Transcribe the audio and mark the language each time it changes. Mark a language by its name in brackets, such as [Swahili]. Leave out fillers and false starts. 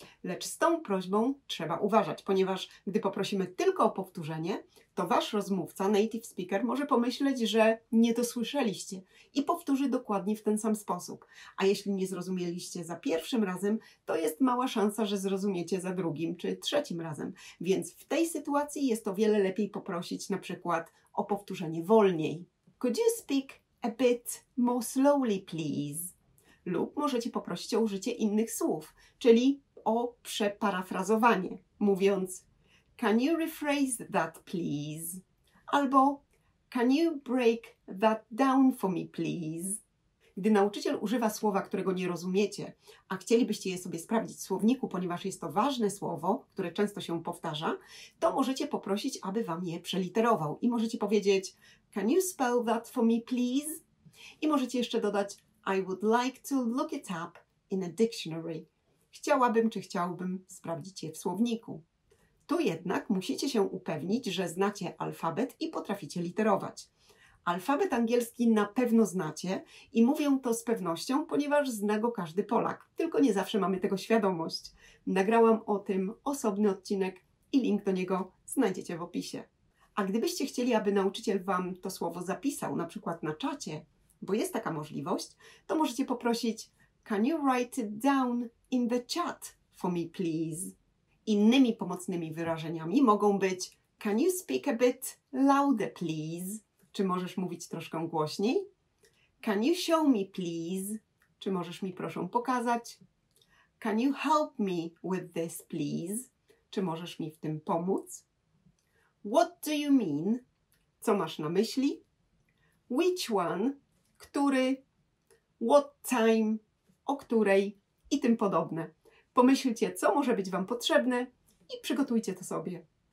[Polish] Lecz z tą prośbą trzeba uważać, ponieważ gdy poprosimy tylko o powtórzenie, to Wasz rozmówca, native speaker, może pomyśleć, że nie dosłyszeliście i powtórzy dokładnie w ten sam sposób. A jeśli nie zrozumieliście za pierwszym razem, to jest mała szansa, że zrozumiecie za drugim czy trzecim razem. Więc w tej sytuacji jest o wiele lepiej poprosić na przykład o powtórzenie wolniej. [English] Could you speak a bit more slowly, please? [Polish] Lub możecie poprosić o użycie innych słów, czyli o przeparafrazowanie, mówiąc [English] Can you rephrase that, please? Albo Can you break that down for me, please? [Polish] Gdy nauczyciel używa słowa, którego nie rozumiecie, a chcielibyście je sobie sprawdzić w słowniku, ponieważ jest to ważne słowo, które często się powtarza, to możecie poprosić, aby Wam je przeliterował i możecie powiedzieć [English] Can you spell that for me, please? [Polish] I możecie jeszcze dodać [English] I would like to look it up in a dictionary. [Polish] Chciałabym czy chciałbym sprawdzić je w słowniku. Tu jednak musicie się upewnić, że znacie alfabet i potraficie literować. Alfabet angielski na pewno znacie i mówię to z pewnością, ponieważ zna go każdy Polak, tylko nie zawsze mamy tego świadomość. Nagrałam o tym osobny odcinek i link do niego znajdziecie w opisie. A gdybyście chcieli, aby nauczyciel Wam to słowo zapisał, na przykład na czacie, bo jest taka możliwość, to możecie poprosić: [English] Can you write it down in the chat for me, please? [Polish] Innymi pomocnymi wyrażeniami mogą być: [English] Can you speak a bit louder, please? [Polish] Czy możesz mówić troszkę głośniej? [English] Can you show me, please? [Polish] Czy możesz mi, proszę, pokazać? [English] Can you help me with this, please? [Polish] Czy możesz mi w tym pomóc? [English] What do you mean? [Polish] Co masz na myśli? [English] Which one? [Polish] Który? [English] What time? [Polish] O której? I tym podobne. Pomyślcie, co może być Wam potrzebne i przygotujcie to sobie.